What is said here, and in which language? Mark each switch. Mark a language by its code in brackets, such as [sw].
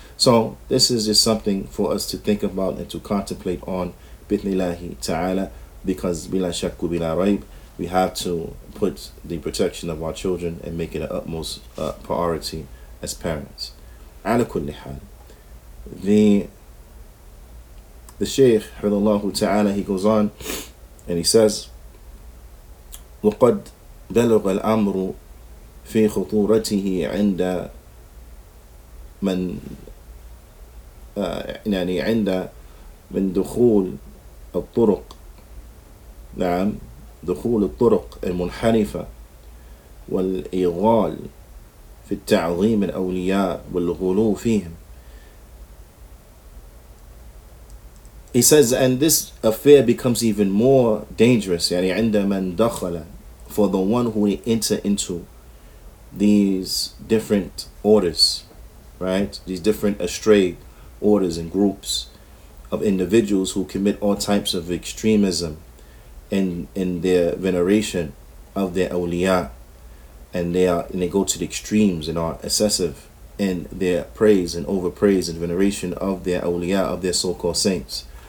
[en] So this is just something for us to think about and to contemplate on, bithnillahi ta'ala, because bila shak wa bila raib, we have to put the protection of our children and make it an utmost priority as parents. Ala kulli hal, the Shaykh, hadallahu ta'ala, he goes on and he says, [ar] وَقَدْ بَلَغَ الْأَمْرُ فِي خُطُورَتِهِ عِنْدَ مَنْ عِنْدَ مِنْ دُخُولِ الطُّرُقِ نعم دخول الطرق المنحرفة والإغال في التعظيم الأولياء والغلو فيهم. [en] He says, and this affair becomes even more dangerous, [ar] يعني عند من دخل, [en] for the one who enter into these different orders, right? These different astray orders and groups of individuals who commit all types of extremism in their veneration of their awliya, and they go to the extremes and are excessive in their praise and overpraise and veneration of their awliya, of their so-called saints.